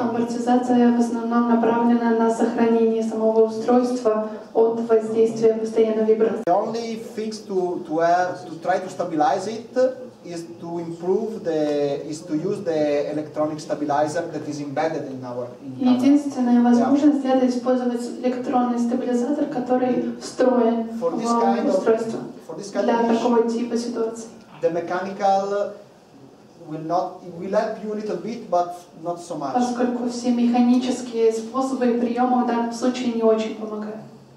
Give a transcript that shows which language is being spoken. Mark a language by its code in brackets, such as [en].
[ru] Амортизация в основном направлена на сохранение самого устройства от воздействия постоянной вибрации. [en] The only things to try to stabilize it is to improve the is to use the electronic stabilizer that is embedded in our. [ru] Единственная возможность это использовать электронный стабилизатор, который встроен в устройство. Для такого типа ситуации. [en] The mechanical will help you a little bit, but not so much. [ru] Поскольку все механические способы приема в данном случае не очень помогают.